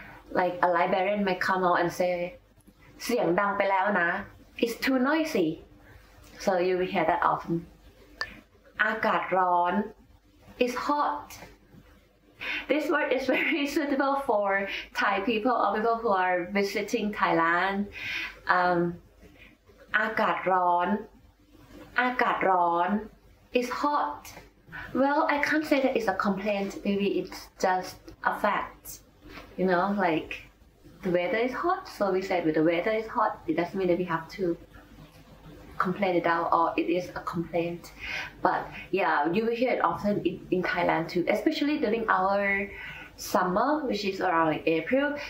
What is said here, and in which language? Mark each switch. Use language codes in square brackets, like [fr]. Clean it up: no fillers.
[en] Like a librarian might come out and say, [th] เสียงดังไปแล้วนะ [en] It's too noisy. So you will hear that often. [th] อากาศร้อน [en] It's hot. This word is very suitable for Thai people or people who are visiting Thailand. [th] อากาศร้อน อากาศร้อน [en] It's hot. Well, I can't say that it's a complaint. Maybe it's just a fact. You know, like the weather is hot. So we said when the weather is hot, it doesn't mean that we have to complain it out or it is a complaint. But yeah, you will hear it often in Thailand too, especially during our summer, which is around like April.